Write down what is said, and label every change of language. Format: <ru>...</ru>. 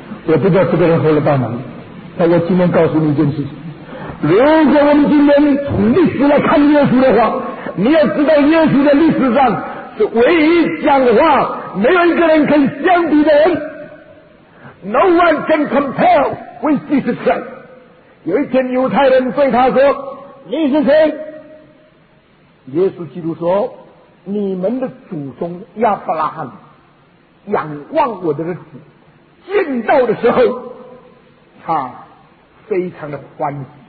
<zh>也不知道这个人何来帮忙。但我今天告诉你一件事情。如果我们今天从历史来看耶稣的话，你要知道耶稣在历史上是唯一讲话没有一个人可以相比的人。</zh> <en>No one can compare with Jesus Christ.</en> <zh>有一天犹太人对他说，你是谁？耶稣基督说，你们的祖宗亚伯拉罕仰望我的日子，见到的时候他非常的欢喜。</zh>